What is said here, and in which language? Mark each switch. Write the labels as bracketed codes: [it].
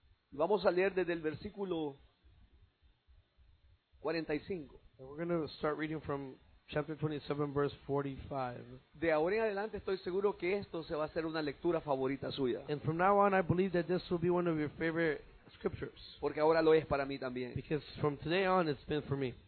[es] Vamos a leer desde el versículo 45. [en] We're going to start reading from chapter 27, verse 45. [es] De ahora en adelante estoy seguro que esto se va a ser una lectura favorita suya. [en] And from now on, I believe that this will be one of your favorite scriptures. [es] Porque ahora lo es para mí también. [en] Because from today on, it's been for me.